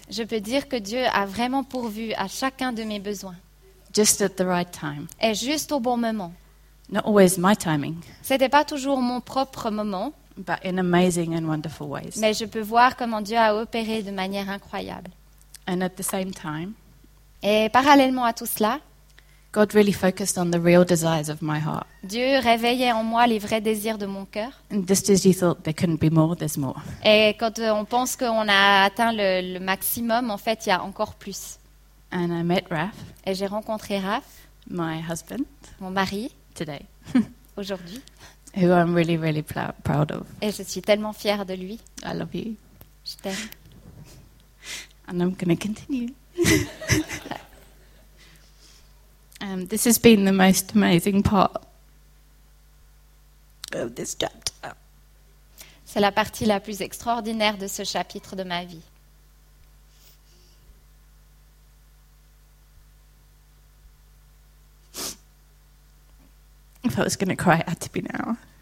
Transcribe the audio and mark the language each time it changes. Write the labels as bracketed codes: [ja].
[fr] Je peux dire que Dieu a vraiment pourvu à chacun de mes besoins. [en] Just at the right time. [fr] Et juste au bon moment. [en] Not always my timing. [fr] C'était pas toujours mon propre moment. [en] But in amazing and wonderful ways. [fr] Mais je peux voir comment Dieu a opéré de manière incroyable. [en] And at the same time. [fr] Et parallèlement à tout cela. [en] God really focused on the real desires of my heart. [fr] Dieu réveillait en moi les vrais désirs de mon cœur. [en] And just as you thought there couldn't be more, there's more. [fr] Et quand on pense qu'on a atteint le maximum, en fait, il y a encore plus. [en] And I met Raph. [fr] Et j'ai rencontré Raph. [en] My husband. [fr] Mon mari. [en] Today. [fr] Aujourd'hui. [en] Who I'm really, really proud of. [fr] Et je suis tellement fière de lui. [en] I love you. [fr] Je t'aime. [en] And I'm going to continue. This has been the most amazing part of this chapter. [fr] C'est la partie la plus extraordinaire de ce chapitre de ma vie. [en] If I was going to cry, it had to be now.